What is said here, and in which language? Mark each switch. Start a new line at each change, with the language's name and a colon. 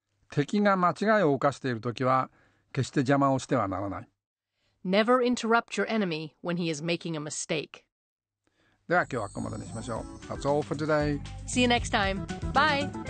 Japanese: 敵が間違いを犯しているときは、決して邪魔をしてはならない。
English: Never interrupt your enemy when he is making a mistake.
Japanese: では今日はここまでにしましょう。
English: That's all for today. See you next time. Bye!